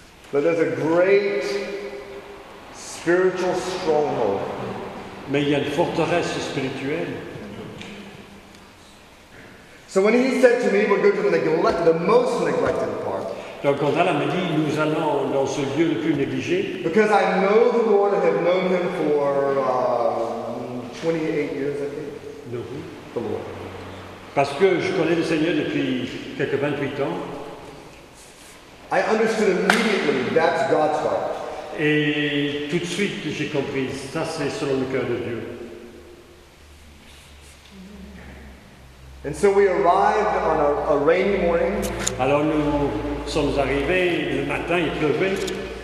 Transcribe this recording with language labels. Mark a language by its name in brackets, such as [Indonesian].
[English] But there's a great spiritual stronghold. [French] Mais il y a une forteresse spirituelle. [English] So when he said to me, we're going to the most neglected part. [French] Donc quand Alain m'a dit, nous allons dans ce lieu le plus négligé. [English] Because I know the Lord and have known him for 28 years, I think. [French] Non, oui. [English] The Lord. [French] Parce que je connais le Seigneur depuis quelques 28 ans. [English] I understood immediately that's God's heart. [French] Et tout de suite j'ai compris, ça c'est selon le cœur de Dieu. [English] And so we arrived on a rainy morning. [French] Alors nous sommes arrivés le matin, il pleuvait.